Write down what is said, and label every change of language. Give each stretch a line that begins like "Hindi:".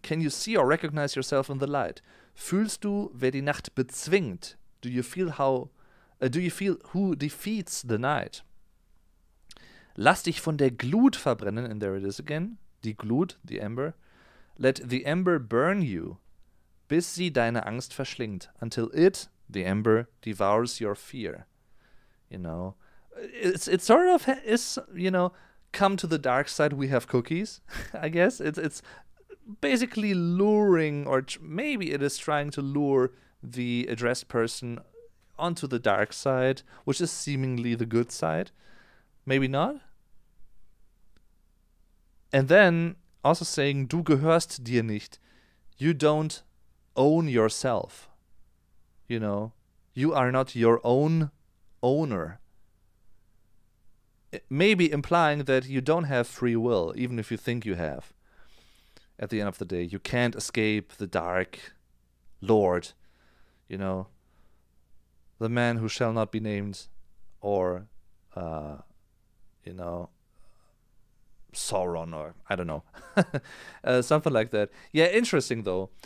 English: Can you see or recognize yourself in the light?
German: Fühlst du, wer die Nacht bezwingt?
English: Do you feel who defeats the night?
German: Lass dich von der Glut verbrennen,
English: and there it is again, die Glut, the ember. Let the ember burn you,
German: bis sie deine Angst verschlingt,
English: until it, the ember, devours your fear. You know, it sort of is, you know, come to the dark side, we have cookies, I guess. It's basically luring, or maybe it is trying to lure the addressed person onto the dark side, which is seemingly the good side. Maybe not. And then also saying,
German: du gehörst dir nicht.
English: You don't own yourself. You know, you are not your own owner. Maybe implying that you don't have free will, even if you think you have. At the end of the day, you can't escape the dark lord, you know, the man who shall not be named, or, you know, Sauron, or I don't know, something like that. Yeah, interesting though.